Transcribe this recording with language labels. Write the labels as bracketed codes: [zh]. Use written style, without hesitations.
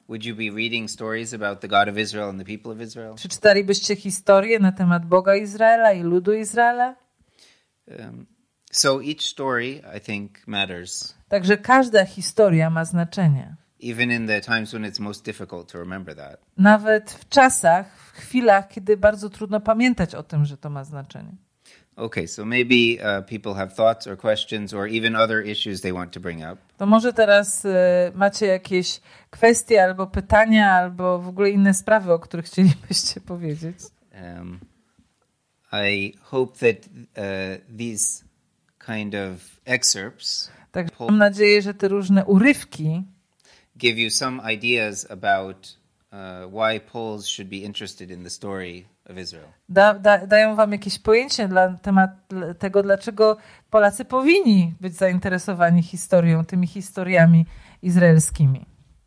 [en] Would you be reading stories about the God of Israel and the people of Israel? [pl] Czy czytalibyście historie na temat Boga Izraela i ludu Izraela? [en] So each story, I think, matters. [pl] Także każda historia ma znaczenie. [en] Even in the times when it's most difficult to remember that. [pl] Nawet w czasach, w chwilach, kiedy bardzo trudno pamiętać o tym, że to ma znaczenie. [en] Okay, so maybe people have thoughts or questions or even other issues they want to bring up. [pl] To może teraz macie jakieś kwestie albo pytania albo w ogóle inne sprawy, o których chcielibyście powiedzieć. [en] I hope that these kind of excerpts. [pl] Tak, mam nadzieję, że te różne urywki [en] give you some ideas about why Poles should be interested in the story. [pl] Dają wam jakieś pojęcie na temat tego, dlaczego Polacy powinni być zainteresowani historią, tymi historiami izraelskimi.